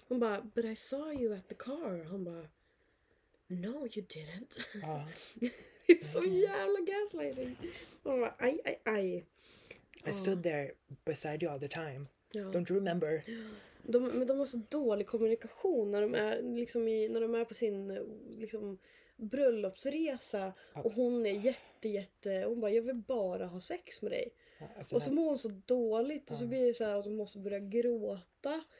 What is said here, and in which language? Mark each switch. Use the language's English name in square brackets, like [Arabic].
[Swedish] Hon bara, [English] but I saw you at the car. [Swedish] Han bara, [English] no you didn't. [Swedish] Ja. Det är så jävla gaslighting. Hon bara, aj. [English] I stood there beside you all the time. [Swedish] Ja. [English] Don't you remember? [Swedish] De, men de har så dålig kommunikation när de är, liksom i, när de är på sin liksom, bröllopsresa. Och hon är jätte... Hon bara, jag vill bara ha sex med dig. Alltså, och så mår hon så dåligt. Och så blir det så här att hon måste börja gråta.